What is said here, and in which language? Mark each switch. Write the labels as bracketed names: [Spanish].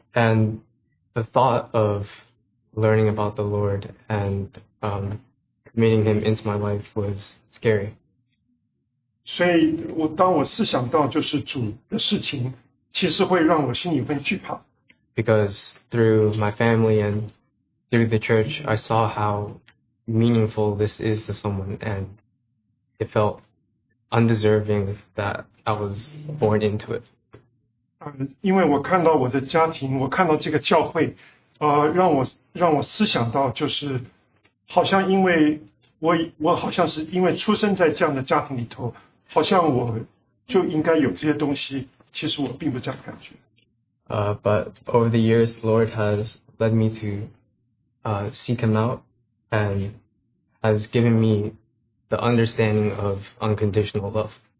[English] And the thought of learning about the Lord and committing him into my life was scary. [Chinese] 所以我当我思想到就是主的事情，其实会让我心里会惧怕。 [English] Because through my family and through the church, I saw how meaningful this is to someone, and it felt undeserving that I was born into it. [Chinese] 因为我看到我的家庭，我看到这个教会，让我思想到，就是好像因为我好像是因为出生在这样的家庭里头，好像我就应该有这些东西，其实我并不这样感觉。 [English] But over the years, Lord has led me to seek him out and has given me the understanding of unconditional love.